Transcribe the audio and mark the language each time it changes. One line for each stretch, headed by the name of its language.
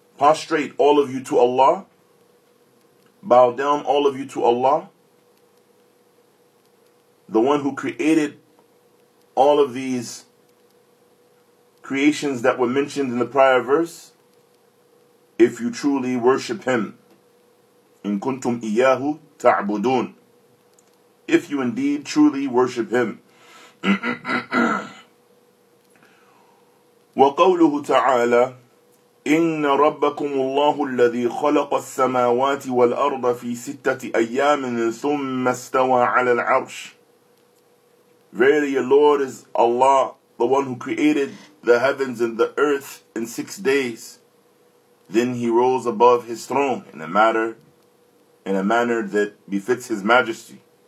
English: Prostrate all of you to Allah. Bow down all of you to Allah, the one who created all of these creations that were mentioned in the prior verse, if you truly worship Him.
Arabic: إِن كُنْتُمْ إِيَّاهُ تَعْبُدُونَ,
English: if you indeed truly worship Him.
Arabic: وقوله تعالى: إن ربكم الله الذي خلق السماوات والأرض في ستة أيام ثم استوى على العرش.
English: Verily your Lord is Allah, the one who created the heavens and the earth in 6 days. Then he rose above his throne in a manner that befits his majesty.